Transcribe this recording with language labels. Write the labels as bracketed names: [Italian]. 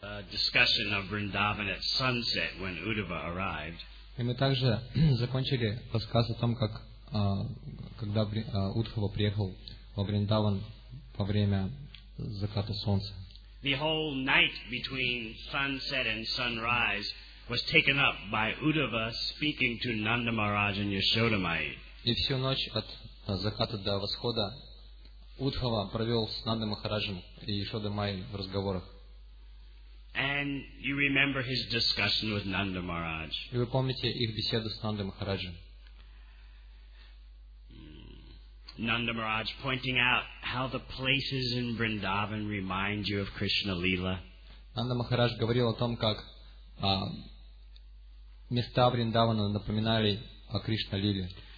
[English] discussion of Vrindavan at sunset when Uddhava arrived. [Russian] И мы также закончили рассказ о том, как когда Удхава приехал во Вриндаван во время заката солнца. [English] The whole night between sunset and sunrise was taken up by Uddhava speaking to Nanda Maharaj and Yashoda Mai. [Russian] И всю ночь от заката до восхода Удхава провел с Нанда Махараджем и Яшодой Майей в разговорах. [English] And you remember his discussion with Nanda Maharaj. [Russian] И вы помните их беседу с Нандой Махараджем. [English] Nanda Maharaj pointing out how the places in Vrindavan remind you of Krishna Lila. [Russian] Нанда Махарадж говорил о том, как места Вриндавана напоминали о Кришна Лиле.